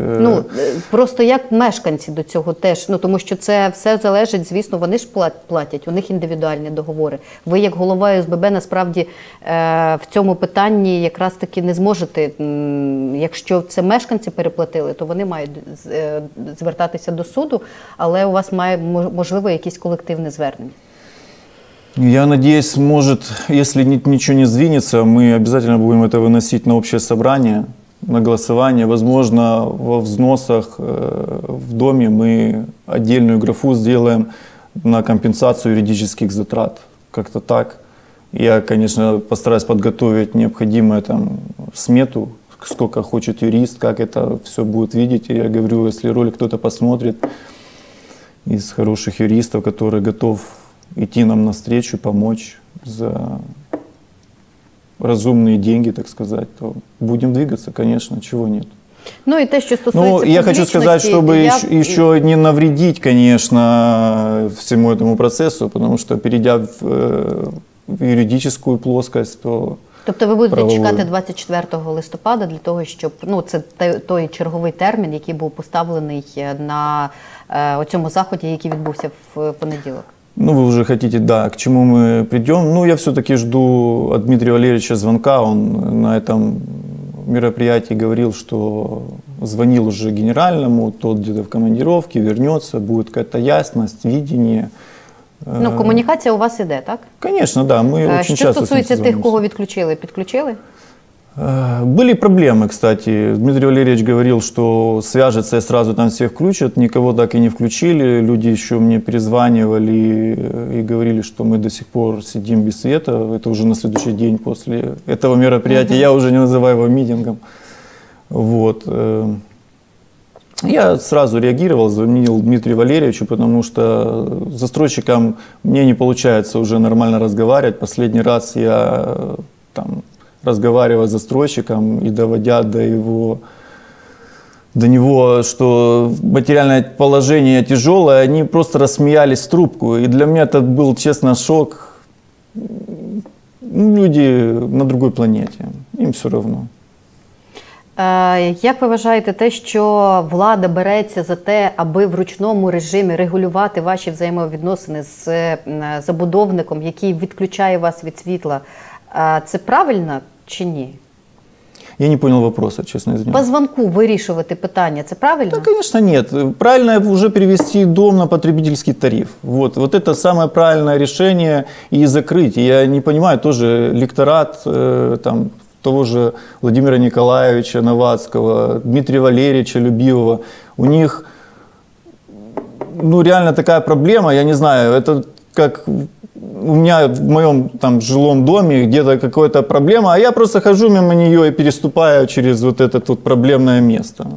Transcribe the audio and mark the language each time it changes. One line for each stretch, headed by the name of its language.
Ukrainian: Ну, просто як мешканці до цього теж, ну, тому що це все залежить, звісно, вони ж платять, у них індивідуальні договори. Ви, як голова ОСББ, насправді в цьому питанні якраз таки не зможете, якщо це мешканці переплатили, то вони мають звертатися до суду, але у вас має, можливо, якісь колективні звернення.
Russian: Я надеюсь, может, если ничего не сдвинется, мы обязательно будем это выносить на общее собрание. на голосование. Возможно, во взносах в доме мы отдельную графу сделаем на компенсацию юридических затрат. Как-то так. Я, конечно, постараюсь подготовить необходимую там смету, сколько хочет юрист, как это все будет видеть. Я говорю, если ролик кто-то посмотрит из хороших юристов, который готов идти нам навстречу, помочь за разумные деньги, так сказать, то будем двигаться, конечно, чего нет.
Ukrainian: Ну и те, что стосується
Russian: публичности. Я хочу сказать, чтобы еще не навредить, конечно, всему этому процессу, потому что перейдя в юридическую плоскость, то...
Ukrainian: Тобто ви будете чекати 24 листопада для того, щоб, ну, це той черговий термін, який був поставлений на цьому заході, який відбувся в понеділок? Ну, ви вже хочете, да, к чому ми прийдемо. Ну, я все-таки жду від Дмитрия Валерійовича дзвінка, він на цьому мероприятии говорив, що дзвонив уже генеральному,
Russian: тот где-то
Ukrainian: в командировці, вернеться, буде якась ясність, видіння. Ну, комунікація у вас іде, так? Звісно, да. Ми дуже часто. Що стосується тих, кого відключили, підключили? Були проблеми, кстати. Дмитрий Валерійович говорив, що зв'яжеться і сразу там всіх включать. Нікого так і не включили. Люди ще мені перезванювали і говорили, що ми
Russian: до сих пор
Ukrainian: сидимо без світу. Це вже на наступний день після цього мероприятия. Я вже не називаю його мітингом. Вот.
Russian: Я сразу реагировал, звонил Дмитрию Валерьевичу, потому что с застройщиком мне не получается уже нормально разговаривать. Последний раз я там разговаривал с застройщиком и доводя до него, что материальное положение тяжелое, они просто рассмеялись в трубку. И для меня это был, честно, шок. Люди на другой планете, им все равно.
Ukrainian: Як ви вважаєте те, що влада береться за те, аби в ручному режимі регулювати ваші взаємовідносини з забудовником, який відключає вас від світла, це правильно чи ні? Я не зрозумів питання, чесно,
Russian: извиняюсь.
Ukrainian: По дзвонку вирішувати питання, це правильно? Так, звісно, ні. Правильно вже перевести дім на потребительський тариф.
Russian: Вот, вот это самое правильное решение и закрыть. Я не понимаю, тоже лекторат там того же Владимира Николаевича Новацкого, Дмитрия Валерьевича Любивого. У них, ну, реально такая проблема, я не знаю, это как у меня в моем там жилом доме где-то какая-то проблема, а я просто хожу мимо нее и переступаю через вот это вот проблемное место.